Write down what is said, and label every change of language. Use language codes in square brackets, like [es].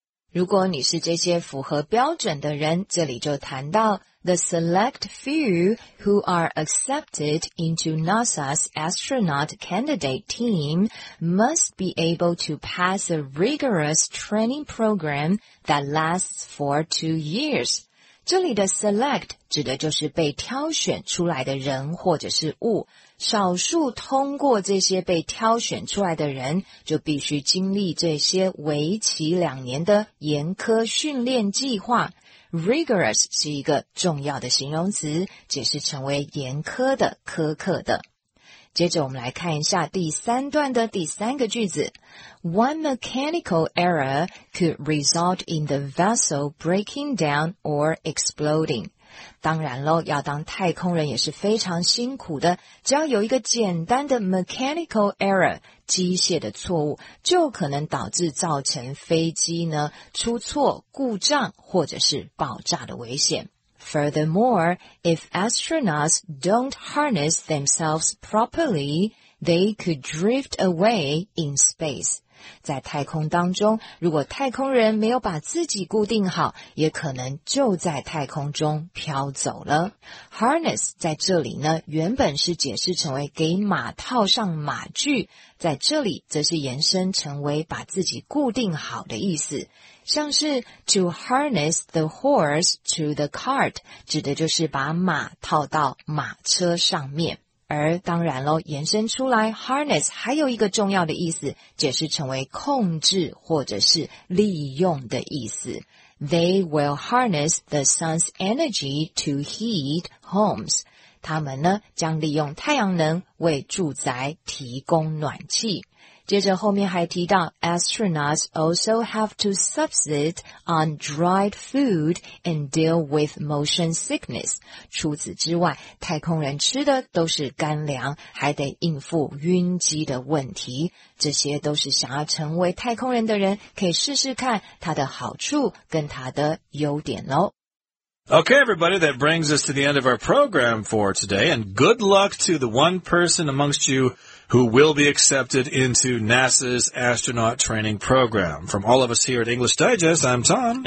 [zh] 如果你是这些符合标准的人，这里就谈到 [en] the select few who are accepted into NASA's astronaut candidate team must be able to pass a rigorous training program that lasts for 2 years. [zh] 这里的 select 指的就是被挑选出来的人或者是物。少数通过这些被挑选出来的人就必须经历这些为期两年的严苛训练计划。 Rigorous 是一个重要的形容词，解释成为严苛的、苛刻的。接着我们来看一下第三段的第三个句子。 [en] One mechanical error could result in the vessel breaking down or exploding. [zh] 当然咯，要当太空人也是非常辛苦的，只要有一个简单的 mechanical error, 机械的错误，就可能导致造成飞机呢出错、故障或者是爆炸的危险。 [en] Furthermore, if astronauts don't harness themselves properly, they could drift away in space. [zh] 在太空当中，如果太空人没有把自己固定好，也可能就在太空中飘走了。 Harness 在这里呢，原本是解释成为给马套上马具，在这里则是延伸成为把自己固定好的意思。像是 [en] to harness the horse to the cart, [zh] 指的就是把马套到马车上面。而当然咯，延伸出来 harness 还有一个重要的意思，解释成为控制或者是利用的意思。 [en] They will harness the sun's energy to heat homes. [zh] 他们呢，将利用太阳能为住宅提供暖气。接着后面还提到 [en] astronauts also have to subsist on dried food and deal with motion sickness. [zh] 除此之外，太空人吃的都是干粮，还得应付晕机的问题。这些都是想要成为太空人的人可以试试看它的好处跟它的优点咯。 [en] Okay, everybody, that brings us to the end of our program for today, and good luck to the one person amongst you who will be accepted into NASA's astronaut training program. From all of us here at English Digest, I'm Tom.